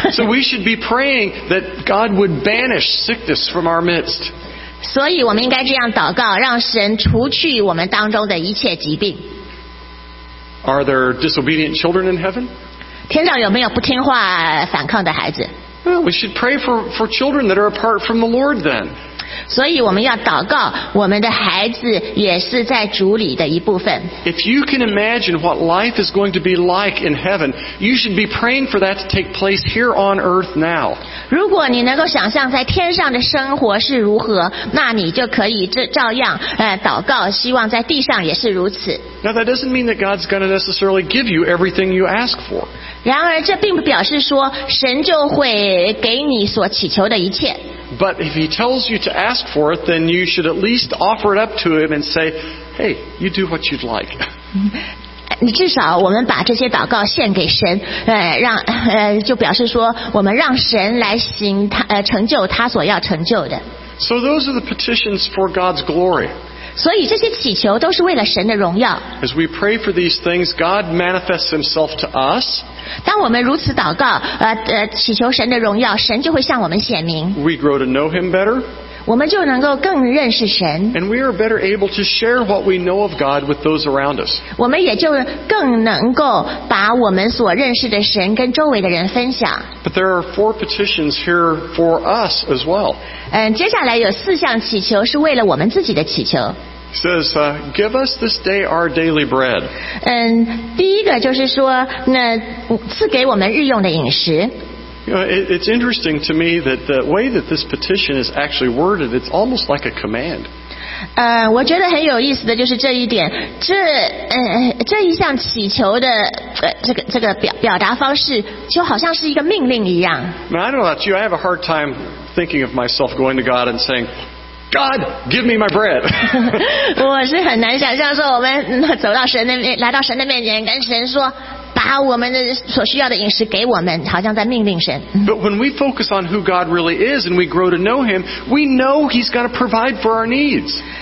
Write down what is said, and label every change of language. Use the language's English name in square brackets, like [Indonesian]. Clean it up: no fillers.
[English] So we should be praying that God would banish sickness from our midst. [Chinese] 所以我们应该这样祷告，让神除去我们当中的一切疾病。 [English] Are there disobedient children in heaven? [Chinese] 天上有没有不听话反抗的孩子？ [English] Well, we should pray for children that are apart from the Lord then. [Chinese] 所以我们要祷告，我们的孩子也是在主里的一部分。 [English] If you can imagine what life is going to be like in heaven, you should be praying for that to take place here on earth now. [Chinese] 如果你能够想象在天上的生活是如何，那你就可以照样祷告，希望在地上也是如此。 [English] Now that doesn't mean that God's going to necessarily give you everything you ask for. [Chinese] 然而这并不表示说神就会给你所祈求的一切。 [English] But if he tells you to ask for it, then you should at least offer it up to him and say, hey, you do what you'd like. [Chinese] 你至少我们把这些祷告献给神，让就表示说我们让神来行他成就他所要成就的。 [English] So those are the petitions for God's glory. [Chinese] 所以这些祈求都是为了神的荣耀。 [English] As we pray for these things, God manifests himself to us. [Chinese] 当我们如此祷告，祈求神的荣耀，神就会向我们显明。 [English] We grow to know him better. [Chinese] 我们就能够更认识神。 [English] And we are better able to share what we know of God with those around us. [Chinese] 我们也就更能够把我们所认识的神跟周围的人分享。 [English] But there are four petitions here for us as well. [Chinese] 接下来有四项祈求是为了我们自己的祈求。 [English] He says, give us this day our daily bread. [Chinese] 第一个就是说，那赐给我们日用的饮食。 [English] You know, it's interesting to me that the way that this petition is actually worded, it's almost like a command. [Chinese] 我觉得很有意思的就是这一点，这一项祈求的这个表达方式，就好像是一个命令一样。 [English] I don't know about you, I have a hard time thinking of myself going to God and saying,God, give me my bread. [Chinese] 我是很难想象说我们走到神那边，来到神的面前，跟神说，把我们的所需要的饮食给我们，好像在命令神。 [English] But when we focus on who God really is and we grow to know Him, we know He's going to provide for our needs.